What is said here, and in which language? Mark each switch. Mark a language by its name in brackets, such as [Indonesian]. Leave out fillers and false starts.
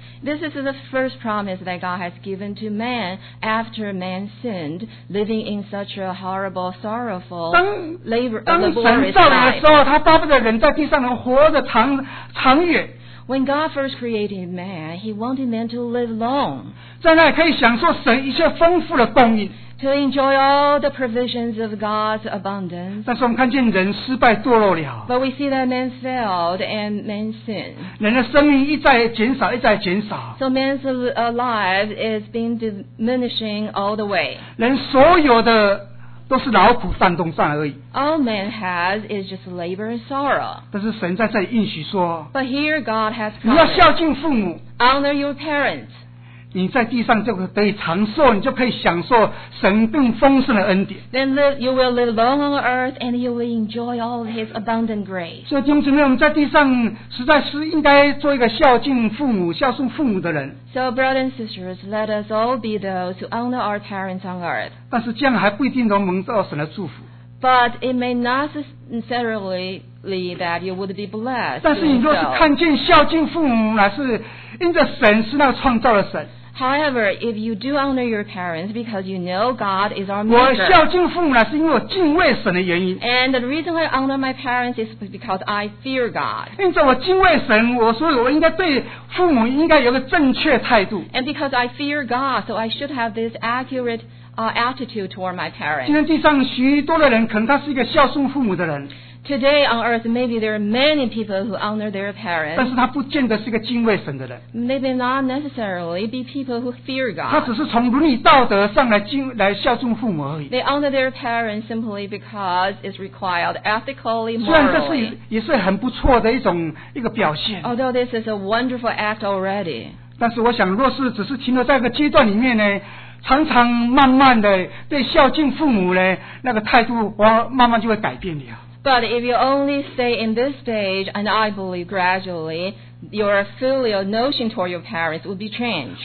[English] This is the first promise that God has given to man after man sinned, living in such a horrible, sorrowful labor. [Chinese] 当神造人的时候，他巴不得人在地上能活得长远。 [English] When God first created man, He wanted man to live long. [Chinese] 在那可以享受神一切丰富的供应。 [English] To enjoy all the provisions of God's abundance. [Chinese] 但是我们看见人失败堕落了。 [English] But we see that man failed and man sinned. [Chinese] 人的生命一再减少，一再减少。 [English] So man's life is being diminishing all the way. [Chinese] 人所有的都是劳苦散动上而已。 [English] All man has is just labor and sorrow. [Chinese] 但是神在这里应许说， [English] But here God has promised. [Chinese] 你要孝敬父母。 [English] Honor your parents. [Chinese] 你在地上就可以长寿，你就可以享受神更丰盛的恩典。 [English] Then you will live long on earth and you will enjoy all of His abundant grace. [Chinese] 所以弟兄姊妹，我们在地上实在是应该做一个孝敬父母、孝顺父母的人。 [English] So brothers and sisters, let us all be those who honor our parents on earth. [Chinese] 但是这样还不一定能蒙到神的祝福。 [English] But it may not necessarily that you would be blessed. [Chinese] 但是你若是看见孝敬父母乃是因着神是那个创造的神。 [English] However, if you do honor your parents because you know God is our maker, [Chinese] 我孝敬父母呢，是因为我敬畏神的原因。 [English] And the reason I honor my parents is because I fear God. [Chinese] 因着我敬畏神，所以我应该对父母应该有个正确态度。 [English] And because I fear God, so I should have this accurate attitude toward my parents. [Chinese] 今天地上许多的人，可能他是一个孝顺父母的人。 [English] Today on earth, maybe there are many people who honor their parents. [Chinese] 但是他不见得是一个敬畏神的人。 [English] Maybe not necessarily be people who fear God. [Chinese] 他只是从伦理道德上来孝顺父母而已。 [English] They honor their parents simply because it's required ethically, morally. [Chinese] 虽然这是也是很不错的一个表现。 [English] Although this is a wonderful act already. [Chinese] 但是我想，若是只是停留在一个阶段里面呢？常常慢慢的对孝敬父母呢，那个态度慢慢就会改变了。 [English] But if you only stay in this stage, and I believe gradually, your filial notion toward your parents will be changed.